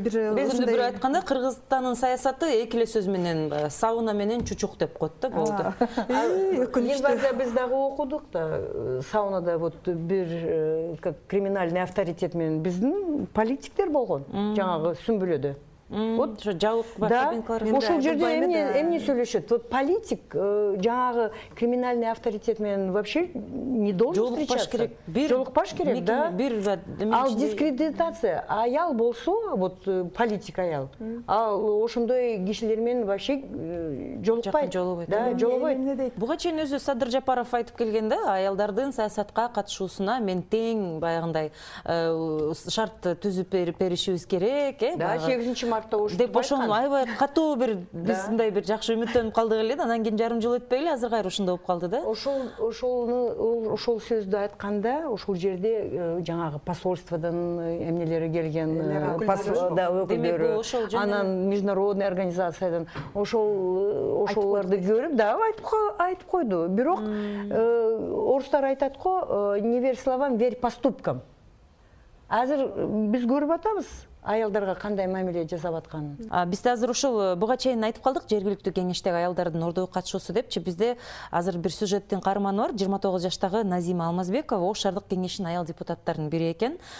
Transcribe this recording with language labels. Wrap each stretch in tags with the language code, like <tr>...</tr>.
<ky>Биз өзүндө бир айтканда Кыргызстандын саясаты эки эле сөз менен сауна менен чучук деп коет да, болду. Елбасы биз дагы окудук да, саунада вот бир</ky> <ru>как криминальный авторитет</ru> <ky>менен биздин политиктер болгон жанагы сүмбүлөдө. Вот ошо жабык бакабенкалар, ошол жерде эмне сүйлөшөт?</ky> <ru>Вот политик жанагы криминальный авторитет менен вообще не должен встречаться.</ru> <ky>Жолукпаш керек, да? Ал дискредитация. Аял болсо, вот политик аял, ал ошондой кишилер менен вообще жолукпайт. Да, жолугойт. Буга чейин өзү Садыр Жапаров айтып келген да, аялдардын саясатка катышуусуна мен тең баягындай шарт түзүп беришибиз керек, э? Да, 8-ч деп ошону аябай катуу бир биз мындай бир жакшы үмүттөнүп калдык эле да, анан кийин жарым жыл өтпөй эле азыр кайра ушундай болуп калды да. Ошол сөздү айтканда ошол жерде жанагы посольстводон эмнелери келген, өкүлдөрү, анан международный организациядан ошолорду көрүп да айтып койду. Бирок орустар айтат го,</ky> <ru>не верь словам, верь поступкам.</ru> <ky>Азыр биз көрүп атабыз аялдарга кандай мамиле жасап атканын. Биз да азыр ушул буга чейин айтып калдык жергиликтүү кеңештеги аялдардын ордогу катышуусу депчи. Бизде азыр бир сюжеттин каарманы бар, 29 жаштагы Назима Алмазбекова Ош шаардык кеңешинин аял депутаттарынын бири экен.</ky>